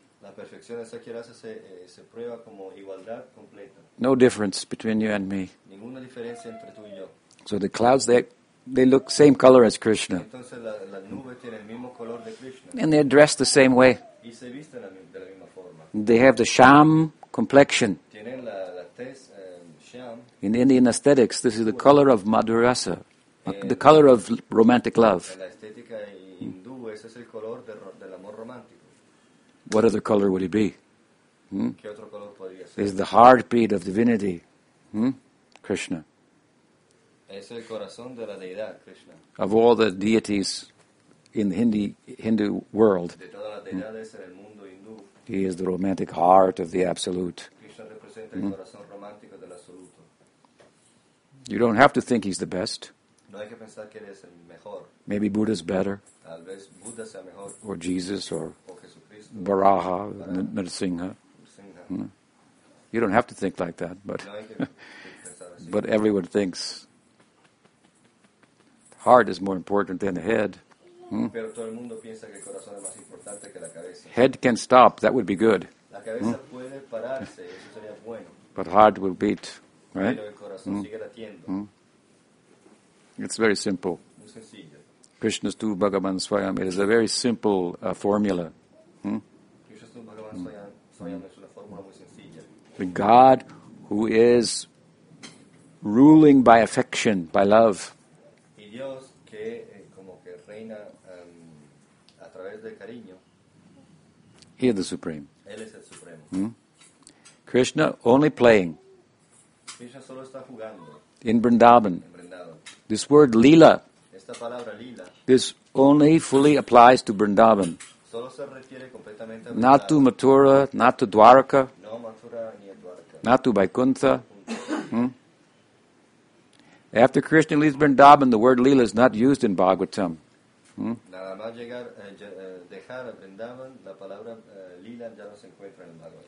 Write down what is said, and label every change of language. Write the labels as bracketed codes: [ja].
[es] La perfección es aquella que se prueba como igualdad completa. [en] No difference between you and me. [es] Ninguna diferencia entre tú y yo. [en] So the clouds, they look same color as Krishna. [es] Entonces la nube tiene el mismo color de Krishna. [en] And they're dressed the same way. [es] Y se visten de la misma forma. [en] They have the sham complexion. [es] Tienen la tez, sham. [en] In Indian aesthetics, this is the color of madurasa, the color of romantic love. [es] La estética hindú, ese es el color del amor romántico. [en] What other color would it be? [es] ¿Qué otro color podría ser? [en] It's the heartbeat of divinity, Krishna. [es] Es el corazón de la deidad, Krishna. [en] Of all the deities in the Hindu world, [es] de todas las deidades en el mundo hindú, [en] he is the romantic heart of the absolute. [es] Krishna representa el corazón romántico del absoluto. [en] You don't have to think he's the best. [es] No hay que pensar que eres el mejor. [en] Maybe Buddha's better. [es] Tal vez Buddha sea mejor. [en] Or Jesus, or [es] Jesucristo. [en] Baraha, Narasingha. You don't have to think like that, but but everyone thinks the heart is more important than the head. [es] Pero todo el mundo piensa que el corazón es más importante que la cabeza. [en] Head can stop, that would be good. [es] La cabeza puede pararse, eso sería bueno. [en] But heart will beat, right? [es] Pero el corazón sigue latiendo. [en] It's very simple. [es] Muy sencillo. [en] Krishna's tu Bhagavan Swayam, it is a very simple formula. [es] Krishna's tu Bhagavan Swayam es una fórmula muy sencilla. [en] The God who is ruling by affection, by love. [es] Y Dios que como que reina a través del cariño. [en] He is the Supreme. [es] Él es el Supremo. [en] Krishna only playing. [es] Krishna solo está jugando. [en] In Vrindavan. This word lila, [es] esta palabra, lila, [en] this only fully applies to Vrindavan. [es] Solo se refiere completamente a [en] Vrindavan. Not to Mathura, not to Dwaraka, [es] no, Mathura, ni Dwaraka. [en] Not to Vaikuntha. After Krishna leaves Vrindavan, the word lila is not used in Bhagavatam. [es] Nada más llegar, dejar a Vrindavan, la palabra lila ya no se encuentra en el Bhagavatam.